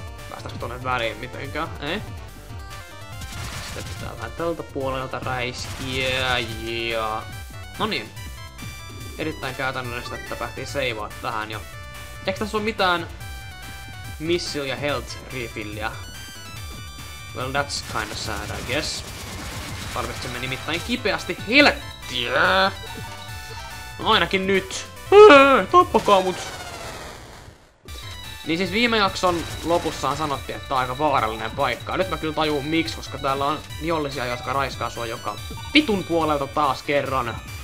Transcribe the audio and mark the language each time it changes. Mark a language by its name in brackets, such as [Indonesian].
[Finnish] Päästäisikö tonne väliin mitenkään? Ei? Sitten pitää vähän tältä puolelta räiskiä ja... Noniin. Erittäin käytännöllistä, että päätin seivaa tähän jo. Eikö tässä ole mitään missile ja health refillia? [English] Well, that's kinda sad, I guess. [Finnish] Tarvitsemme nimittäin kipeästi helttiä! No ainakin nyt! Tappakaa mut! Niin siis viime jakson lopussaan sanottiin, että tää on aika vaarallinen paikka. Nyt mä kyllä tajuun miksi, koska täällä on vihollisia, jotka raiskaa sua joka vitun puolelta taas kerran.